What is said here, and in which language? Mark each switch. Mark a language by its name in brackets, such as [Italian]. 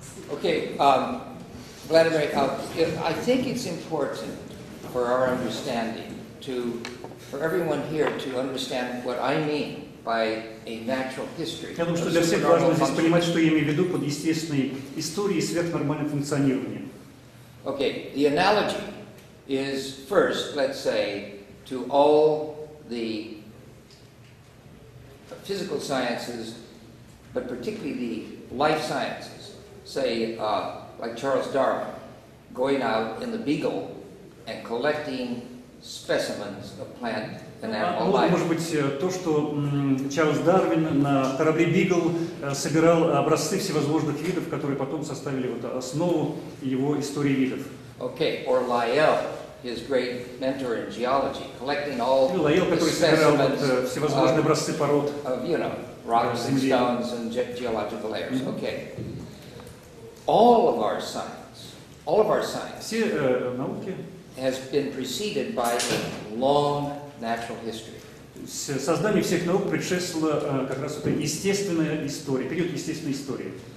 [English] Okay, Vladimir, I think it's important for our understanding for everyone here to understand what I mean by a natural history. [Russian] Я думаю, что для всех важно здесь понимать, что я имею в виду под естественной историей и сверхнормальным функционированием. [English] Okay, the analogy is first, let's say, to all the physical sciences, but particularly the life sciences, say, like Charles Darwin, going out in the Beagle and collecting specimens of plant. [Russian] Может быть, то, что Чарльз Дарвин на корабле «Бигл» собирал образцы всевозможных видов, которые потом составили вот основу его истории видов. [English] Okay, or Lyell, his great mentor in geology, collecting all the specimens. [Russian] Лайел, который собирал всевозможные образцы пород. [English] Of, you know, rocks and stones and geological layers. Mm-hmm. Okay. All of our science. [Russian] Все науки. [English] Has been preceded by a long natural history. [Russian] Создание всех наук предшествовало как раз этой естественной истории, период естественной истории.